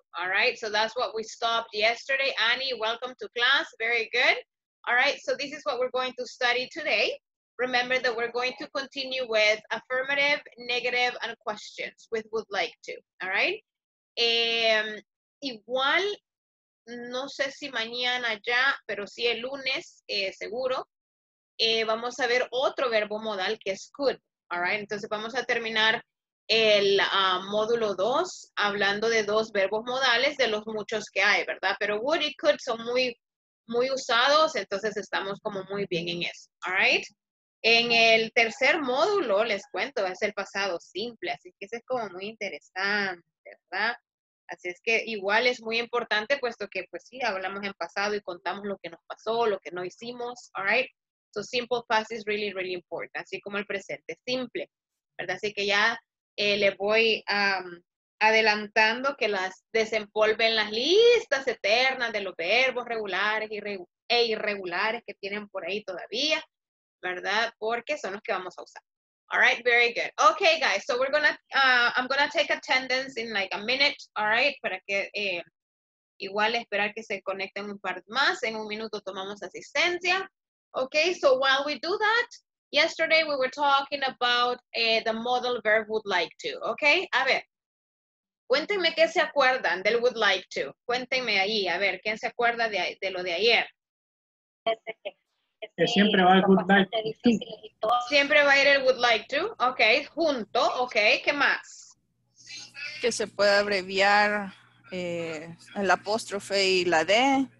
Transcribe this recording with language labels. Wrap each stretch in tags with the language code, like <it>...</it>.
<en>All right, so that's what we stopped yesterday. Annie, welcome to class. Very good. All right, so this is what we're going to study today. Remember that we're going to continue with affirmative, negative, and questions with would like to. All right.</en> <es>Igual, no sé si mañana ya, pero sí el lunes, seguro. Vamos a ver otro verbo modal que es could. All right, entonces vamos a terminar el módulo 2, hablando de dos verbos modales de los muchos que hay, ¿verdad? Pero would y could son muy, muy usados, entonces estamos como muy bien en eso, ¿all right? En el tercer módulo, les cuento, es el pasado simple, así que ese es como muy interesante, ¿verdad? Así es que igual es muy importante, puesto que, pues sí, hablamos en pasado y contamos lo que nos pasó, lo que no hicimos, all right?</es> <en>So simple past is really, really important,</en> <es>así como el presente, simple, ¿verdad? Así que ya le voy adelantando que las desempolven las listas eternas de los verbos regulares e irregulares que tienen por ahí todavía, ¿verdad? Porque son los que vamos a usar.</es> <en>All right, very good. Okay, guys, so we're gonna, I'm gonna take attendance in like a minute, all right?</en> <es>Para que, igual esperar que se conecten un par más, en un minuto tomamos asistencia.</es> <en>Okay, so while we do that, yesterday we were talking about the modal verb would like to, okay?</en> <es>A ver, cuéntenme qué se acuerdan del would like to. Cuéntenme ahí, a ver, ¿quién se acuerda de lo de ayer? Que siempre va el would like to. Siempre va a ir el would like to. Ok, junto. Ok, ¿qué más? Que se puede abreviar el apóstrofe y la D.</es>